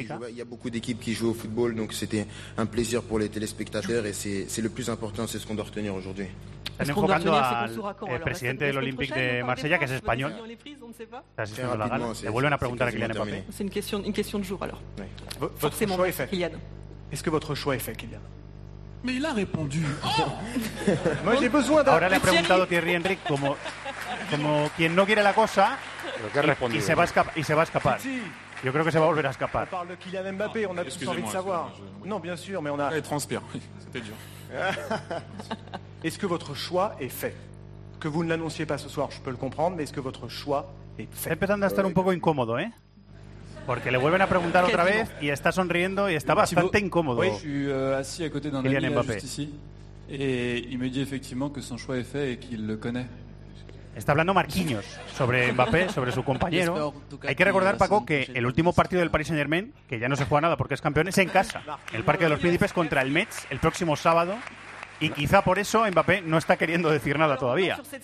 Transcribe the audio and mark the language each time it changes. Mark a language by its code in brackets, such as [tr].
[fr] Il y a beaucoup d'équipes qui jouent au football, donc c'était un plaisir pour les téléspectateurs et c'est le plus important, c'est ce qu'on doit retenir aujourd'hui. [es] Están enfocando al presidente del Olympique de Marsella, que es español. Está asistiendo a la gala. Le vuelven a preguntar a Kylian Mbappé. [fr] C'est une question de jour alors. Votre choix est fait, Kylian. Est-ce que votre choix est fait, Kylian? Mais il a répondu. Oh moi, j'ai besoin d'un... [es] Ahora le ha preguntado Thierry Henry como quien no quiere la cosa. ¿Pero qué ha respondido? Y se va a escapar. Yo creo que se va a volver a escapar. [fr] On parle de Kylian Mbappé, on a tous envie de savoir. Non, bien sûr, mais on a... Il transpire, oui. C'était dur. Est-ce que votre choix est fait? Que vous ne l'annonciez pas ce soir, je peux le comprendre, mais est-ce que votre choix est fait? [es] Está empezando a estar un poco incómodo, ¿eh? Porque le vuelven a preguntar otra vez y está sonriendo y está bastante incómodo. [fr] Oui, je suis assis à côté d'un ami juste ici et il me dit effectivement que son choix est fait et qu'il le connaît. [es] Está hablando Marquinhos sobre Mbappé, sobre su compañero. Hay que recordar, Paco, que el último partido del Paris Saint-Germain, que ya no se juega nada porque es campeón, es en casa, en el Parque de los Príncipes contra el Metz, el próximo sábado. Y quizá por eso Mbappé no está queriendo decir nada todavía.